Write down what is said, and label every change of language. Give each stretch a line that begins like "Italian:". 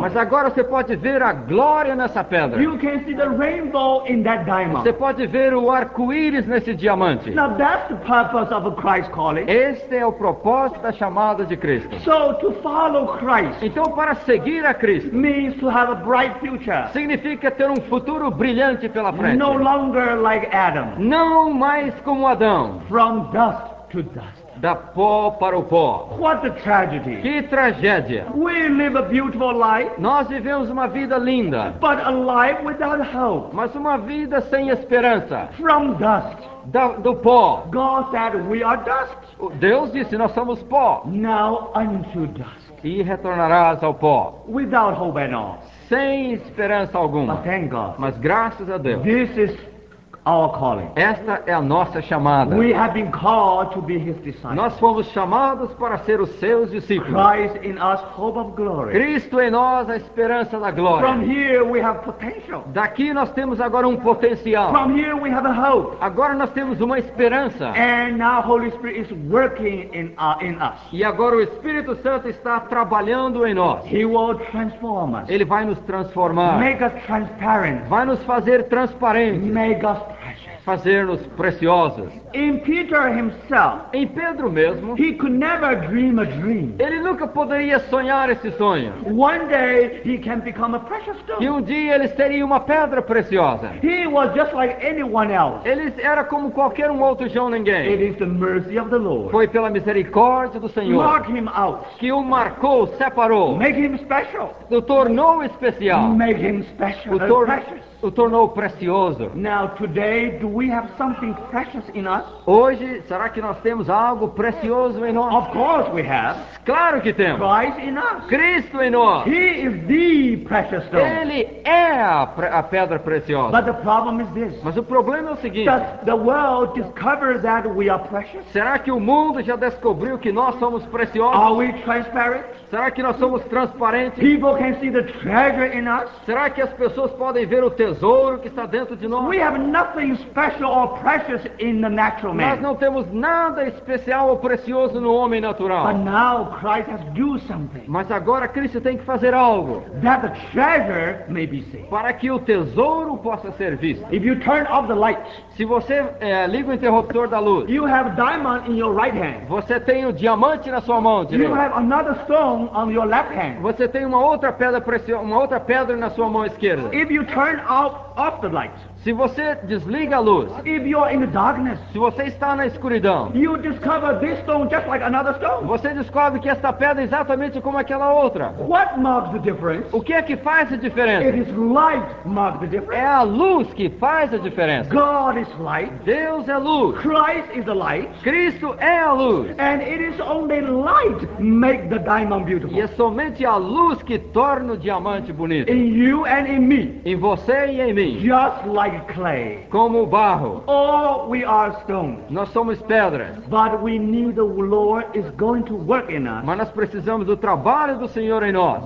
Portuguese: Mas agora você pode ver a glória nessa pedra.
English: You can see the rainbow in that diamond.
Portuguese: Você pode ver o arco-íris nesse diamante.
English: Now that's the purpose of a Christ calling.
Portuguese: Este é o propósito da chamada de Cristo.
English: So to follow Christ.
Portuguese: Então para seguir a Cristo.
English: Means to have a bright future.
Portuguese: Significa ter um futuro brilhante pela frente.
English: No longer like Adam.
Portuguese: Não mais como Adão.
English: From dust to dust.
Portuguese: Da pó para o pó.
English: What a tragedy.
Portuguese: Que tragédia.
English: We live a beautiful life.
Portuguese: Nós vivemos uma vida linda.
English: But a life without hope.
Portuguese: Mas uma vida sem esperança.
English: From dust.
Portuguese: Do pó.
English: God said we are dust.
Portuguese: Deus disse nós somos pó.
English: Now unto dust.
Portuguese: E retornarás ao pó.
English: Without hope at all.
Portuguese: Sem esperança alguma.
English: But thank God.
Portuguese: Mas graças a Deus.
English: This is our calling.
Portuguese: Esta é a nossa chamada.
English: We have been called to be his disciples.
Portuguese: Nós fomos chamados para ser os seus discípulos.
English: Christ in us, hope of glory.
Portuguese: Cristo em nós, a esperança da glória.
English: From here we have potential.
Portuguese: Daqui nós temos agora um potencial.
English: From here we have a hope.
Portuguese: Agora nós temos uma esperança.
English: And now Holy Spirit is working in us.
Portuguese: E agora o Espírito Santo está trabalhando em nós.
English: He will transform us.
Portuguese: Ele vai nos transformar.
English: Make us transparent.
Portuguese: Vai nos fazer transparentes.
English: Make us
Portuguese: fazer-nos preciosos.
English: In Peter himself,
Portuguese: em Pedro mesmo,
English: he could never dream a dream.
Portuguese: Ele nunca poderia sonhar esse sonho.
English: One day he can become a precious stone.
Portuguese: E um dia ele seria uma pedra preciosa.
English: He was just like anyone else.
Portuguese: Ele era como qualquer outro João Ninguém.
English: It is the mercy of the Lord.
Portuguese: Foi pela misericórdia do Senhor.
English: Mark him out.
Portuguese: Que o marcou, separou.
English: Make him special.
Portuguese: O tornou especial.
English: Make him special and precious.
Portuguese: O tornou precioso.
English: Now today do we have something precious in us?
Portuguese: Hoje será que nós temos algo precioso em nós?
English: Of course we have.
Portuguese: Claro que temos.
English: Christ in us.
Portuguese: Cristo em nós.
English: He is the precious stone.
Portuguese: Ele é a pedra preciosa.
English: But the problem is this.
Portuguese: Mas o problema é o seguinte.
English: Does the world discover that we are precious?
Portuguese: Será que o mundo já descobriu que nós somos preciosos?
English: Are we transparent?
Portuguese: Será que nós somos transparentes?
English: People can see the treasure in us.
Portuguese: Será que as pessoas podem ver o tesouro que está dentro de nós?
English: We have nothing special or precious in the natural man.
Portuguese: Nós não temos nada especial ou precioso no homem natural.
English: But now Christ has to do something.
Portuguese: Mas agora Cristo tem que fazer algo.
English: That the treasure may be seen.
Portuguese: Para que o tesouro possa ser visto.
English: If you turn off the light,
Portuguese: se você liga o interruptor da luz,
English: you have diamond in your right hand.
Portuguese: Você tem o diamante na sua mão direita.
English: You have another stone on your left hand.
Portuguese: Você tem uma outra pedra preciosa, uma outra pedra na sua mão esquerda.
English: If you turn off the light,
Portuguese: se você desliga a luz,
English: if you are in the darkness,
Portuguese: se você está na escuridão,
English: you discover this stone just like another stone.
Portuguese: Você descobre que esta pedra é exatamente como aquela outra.
English: What marks the difference?
Portuguese: O que é que faz a diferença?
English: It is light marks the difference.
Portuguese: É a luz que faz a diferença.
English: God is light.
Portuguese: Deus é luz.
English: Christ is the light.
Portuguese: Cristo é a luz.
English: And it is only light make the diamond beautiful.
Portuguese: E é somente a luz que torna o diamante bonito.
English: In you and in me.
Portuguese: Em você e em mim.
English: Just like clay.
Portuguese: Como barro.
English: Or we are stones.
Portuguese: Nós somos pedras.
English: But we need the Lord is going to work in us.
Portuguese: Mas nós precisamos do trabalho do Senhor em nós.